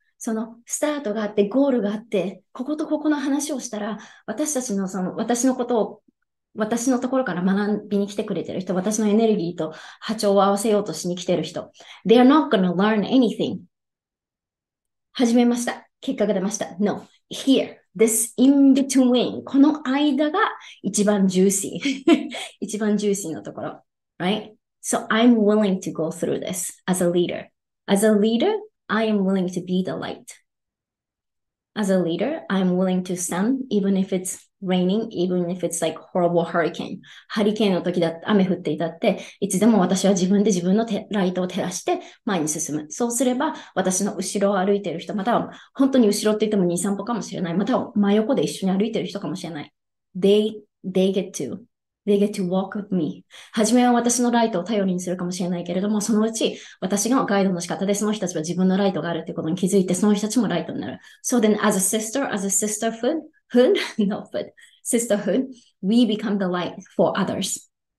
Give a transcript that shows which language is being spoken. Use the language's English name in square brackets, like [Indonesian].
[Japanese] そのスタートがあって、ゴールがあって、こことここの話をしたら、私たちのその私のことを私のところから学びに来てくれてる人、私のエネルギーと波長を合わせようとしに来てる人。 [English] They are not gonna learn anything. [Japanese] 始めました。結果が出ました。 [English] No. Here. This in between. [Japanese] この間が一番ジューシー。一番ジューシーのところ。 [English] Right? So I'm willing to go through this as a leader. As a leader, I am willing to be the light. As a leader, I'm willing to stand even if it's raining, even if it's like horrible hurricane. [Japanese] ハリケーンの時だって、雨降っていたって、いつでも私は自分で自分のライトを照らして前に進む。そうすれば、私の後ろを歩いている人、または本当に後ろって言っても2、3歩かもしれない。または真横で一緒に歩いている人かもしれない。 [English] They get to walk with me. [Japanese] 初めは私のライトを頼りにするかもしれないけれども、そのうち私がガイドの仕方で、その人たちは自分のライトがあるということに気づいて、その人たちもライトになる。 [English] So then, as a sisterhood, we become the light for others.